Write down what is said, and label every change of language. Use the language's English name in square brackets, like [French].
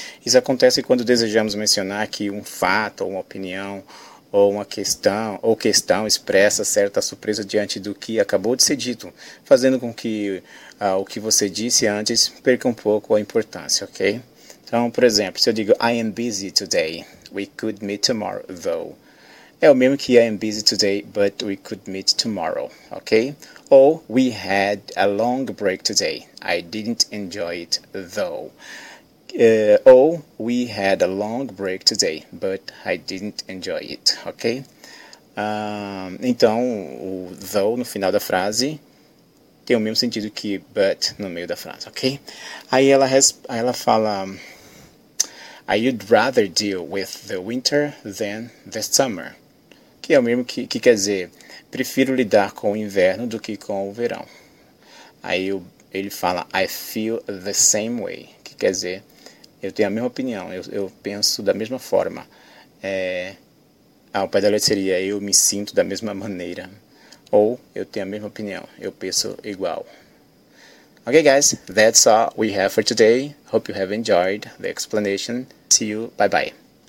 [Portuguese] Isso acontece quando desejamos mencionar que um fato ou uma opinião ou uma questão, ou questão expressa certa surpresa diante do que acabou de ser dito, fazendo com que o que você disse antes perca um pouco a importância, ok? Então, por exemplo, se eu digo, [English] I am busy today, we could meet tomorrow, though. [Portuguese] É o mesmo que [English] I am busy today, but we could meet tomorrow, ok? Ou, we had a long break today, I didn't enjoy it, though. Ou, we had a long break today, but I didn't enjoy it, ok? [Portuguese] Então, o though no final da frase tem o mesmo sentido que but no meio da frase, ok? Aí ela fala, [English] I'd rather deal with the winter than the summer. [Portuguese] Que é o mesmo que quer dizer, prefiro lidar com o inverno do que com o verão. Aí ele fala, [English] I feel the same way, [Portuguese] que quer dizer, eu tenho a mesma opinião, eu penso da mesma forma. Ao pé da letra seria, eu me sinto da mesma maneira. Ou, eu tenho a mesma opinião, eu penso igual. [English] Okay, guys, that's all we have for today. Hope you have enjoyed the explanation. See you, bye-bye.